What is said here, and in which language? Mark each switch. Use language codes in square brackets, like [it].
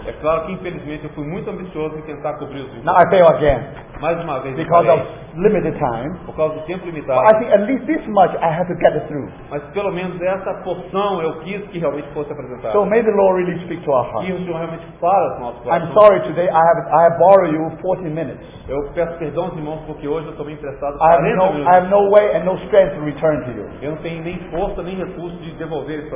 [pt] É claro que infelizmente eu fui muito ambicioso em tentar cobrir os 20. [en] Now I fail again. [pt] Mais uma vez. [en] Because of limited time. [pt] Por causa do tempo limitado. [en] But I think at least this much I have to get it through. [pt] Mas pelo menos essa porção eu quis que realmente fosse apresentada. [en] So may the Lord really speak to our hearts. [pt] Que o Senhor realmente fale aos nossos corações. [en] I'm sorry today I have borrowed you 40 minutes. [pt] Eu peço perdão, irmãos, porque hoje eu estou me emprestado. [en] I have no way and no strength to return to you. [pt] Eu não tenho nem força nem recurso de devolver isso.